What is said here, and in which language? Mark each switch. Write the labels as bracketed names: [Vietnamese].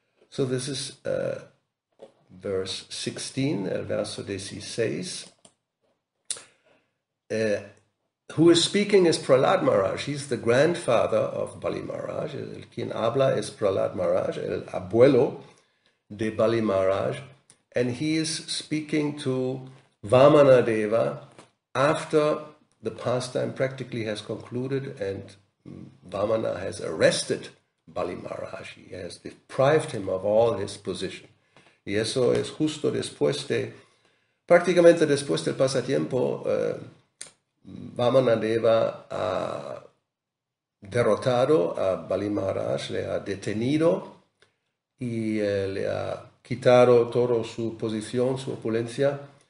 [English] So this is verse 16, [Spanish] el verso 16. [English] Who is speaking is Prahlad Maharaj. He's the grandfather of Bali Maharaj. [Spanish] El quien habla es Prahlad Maharaj, el abuelo de Bali Maharaj. [English] And he is speaking to Vamana Deva after the pastime practically has concluded and Vamana has arrested Bali Maharaj. He has deprived him of all his position. [Spanish] Y eso es justo después de, prácticamente después del pasatiempo, Vamana Deva ha derrotado a Bali Maharaj, le ha detenido y le ha quitado toda su posición, su opulencia.